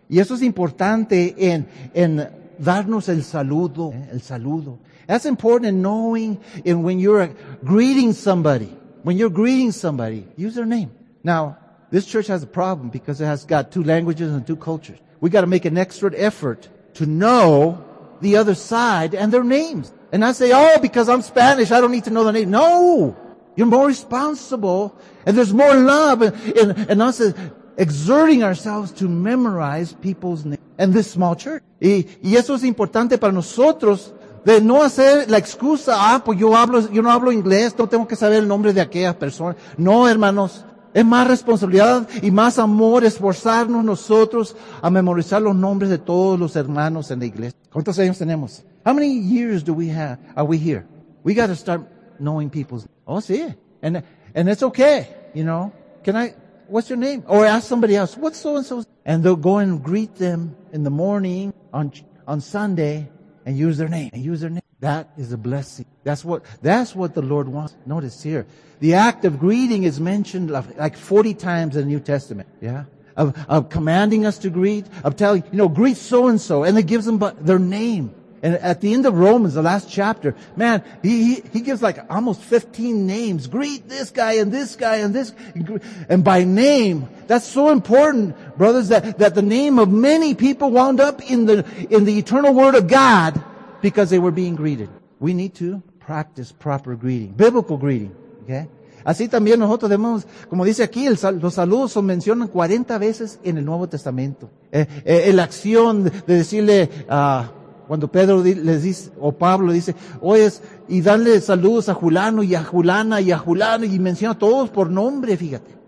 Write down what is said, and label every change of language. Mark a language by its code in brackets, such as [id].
[es] Y eso es importante en darnos el saludo, ¿eh? El saludo. [en] That's important in knowing and when you're greeting somebody. When you're greeting somebody, use their name. Now, this church has a problem because it has got two languages and two cultures. We got to make an extra effort to know the other side and their names. And I say, oh, because I'm Spanish, I don't need to know the name. No! You're more responsible and there's more love in us exerting ourselves to memorize people's names. And this small church. [es] Y eso es importante para nosotros de no hacer la excusa, pues yo no hablo inglés, no tengo que saber el nombre de aquella persona. No, hermanos. Es más responsabilidad y más amor esforzarnos nosotros a memorizar los nombres de todos los hermanos en la iglesia. ¿Cuántos años tenemos? [en] How many years do we have? Are we here? We got to start knowing people's names. [es] Oh, sí. [en] And And it's okay, you know. What's your name? Or ask somebody else, what's so-and-so? And they'll go and greet them in the morning on Sunday and use their name. That is a blessing. That's what the Lord wants. Notice here, the act of greeting is mentioned like 40 times in the New Testament. Yeah? Of commanding us to greet, of telling, you know, greet so-and-so. And it gives them their name. And at the end of Romans, the last chapter, man, he gives like almost 15 names. Greet this guy and this guy and this. And by name, that's so important, brothers, that the name of many people wound up in the eternal word of God because they were being greeted. We need to practice proper greeting, biblical greeting, okay? [es] Así también nosotros debemos, como dice aquí, los saludos son mencionados 40 veces en el Nuevo Testamento. La acción de decirle, cuando Pedro les dice, o Pablo dice, oyes, y dale saludos a Julano y a Julana y a Julano, y menciona a todos por nombre, fíjate.